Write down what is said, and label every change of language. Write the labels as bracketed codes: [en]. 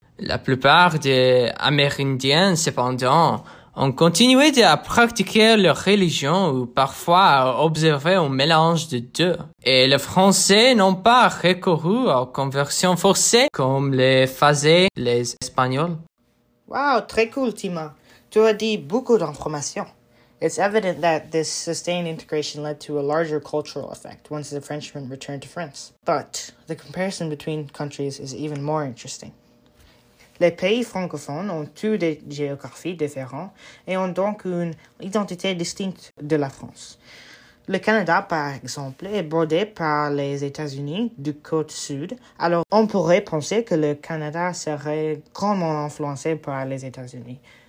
[fr] La plupart des Amérindiens, cependant, ont continué à pratiquer leur religion ou parfois à observer un mélange de deux. Et les Français n'ont pas recouru aux conversions forcées comme les faisaient les Espagnols. Wow, très cool, Tima. Tu as dit beaucoup d'informations. [en] It's evident that this sustained integration led to a larger cultural effect once the Frenchmen returned to France. But the comparison between countries is even more interesting. [fr] Les pays francophones ont tous des géographies différentes et ont donc une identité distincte de la France. Le Canada, par exemple, est bordé par les États-Unis du côté sud, alors on pourrait penser que le Canada serait grandement influencé par les États-Unis.